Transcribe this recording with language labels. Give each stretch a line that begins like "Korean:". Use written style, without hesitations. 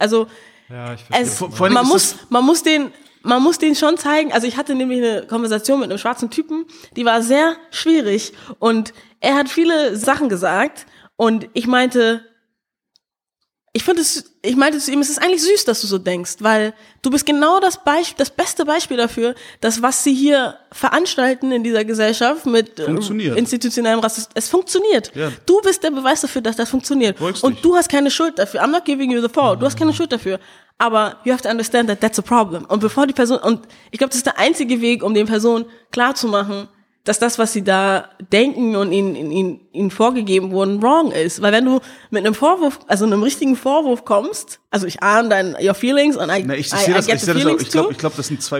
German: Also, man muss denen schon zeigen, also ich hatte nämlich eine Konversation mit einem schwarzen Typen, die war sehr schwierig und er hat viele Sachen gesagt und ich meinte zu ihm, es ist eigentlich süß, dass du so denkst, weil du bist genau das beste Beispiel dafür, dass was sie hier veranstalten in dieser Gesellschaft mit institutionellem Rassismus, es funktioniert. Ja. Du bist der Beweis dafür, dass das funktioniert. Wolltest und dich. Du hast keine Schuld dafür.
English: I'm not giving you the fault.
German: Du hast keine Schuld dafür.
English: Aber you have to understand that that's a problem.
German: Und bevor die Person, und ich glaube, das ist der einzige Weg, um den Personen klarzumachen, dass das, was sie da denken und ihnen vorgegeben wurden, wrong ist. Weil wenn du mit einem Vorwurf, also einem richtigen Vorwurf kommst, also ich ahne deine
English: your feelings
German: und ich glaube, das sind zwei